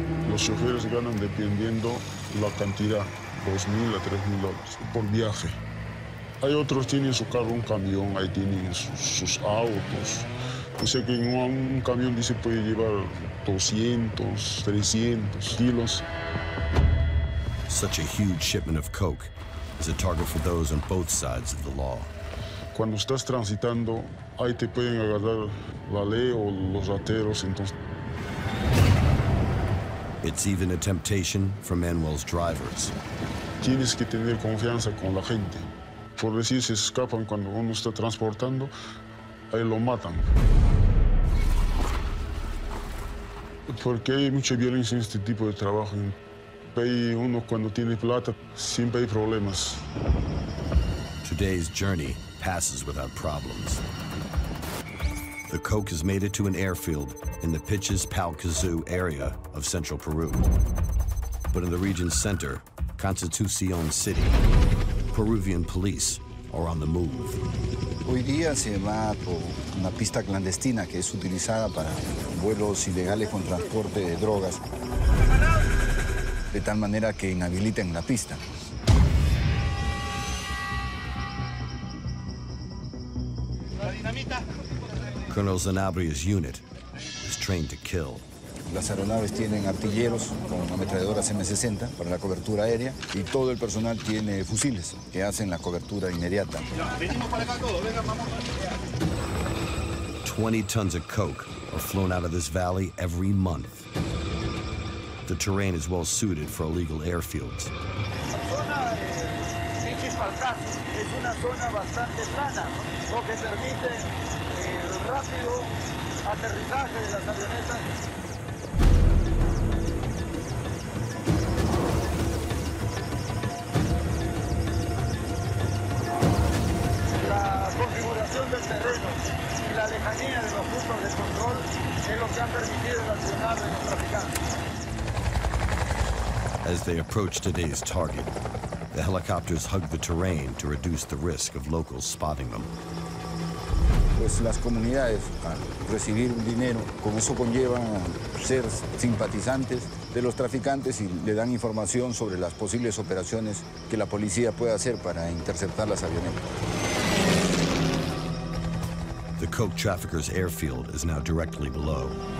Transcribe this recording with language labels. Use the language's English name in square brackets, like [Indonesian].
[Spanish] Los choferes ganan dependiendo la cantidad, 2,000 a 3,000 dólares por viaje. Hay otros tienen su carro, un camión, ahí tienen sus autos. O sea que en un camión dice puede llevar 200, 300 kilos. [English] Such a huge shipment of coke is a target for those on both sides of the law. [Spanish] Cuando estás transitando, ahí te pueden agarrar la ley o los rateros, entonces. [English] It's even a temptation for Manuel's drivers. [Spanish] Tienes que tener confianza con la gente. Por decir, se escapan cuando uno está transportando, ahí lo matan. Porque hay mucha violencia en este tipo de trabajo. Ahí uno cuando tiene plata, siempre hay problemas. [English] Today's journey passes without problems. The coke has made it to an airfield in the Pichas Palcazu area of central Peru. But in the region's center, Constitución City, Peruvian police are on the move. [Spanish] Hoy día se va por una pista clandestina que es utilizada para vuelos ilegales con transporte de drogas. De tal manera que inhabiliten la pista. [English] Colonel Zanabria's unit is trained to kill. [Spanish] Las aeronaves tienen artilleros con ametralladoras M60 para la cobertura aérea y todo el personal tiene fusiles que hacen la cobertura inmediata. Venimos para acá todos, venga, vamos. [English] 20 tons of coke are flown out of this valley every month. The terrain is well suited for illegal airfields. [Spanish] Es una zona bastante plana, lo que permite rápido aterrizaje de las avionetas. La configuración del terreno y la lejanía de los puntos de control es lo que ha permitido relacionar a los traficantes. [English] As they approach today's target, the helicopters hug the terrain to reduce the risk of locals spotting them. [Spanish] Pues las comunidades al recibir un dinero, con eso conllevan ser simpatizantes de los traficantes y le dan información sobre las posibles operaciones que la policía puede hacer para interceptar las avionetas. [English] The coke traffickers airfield is now directly below.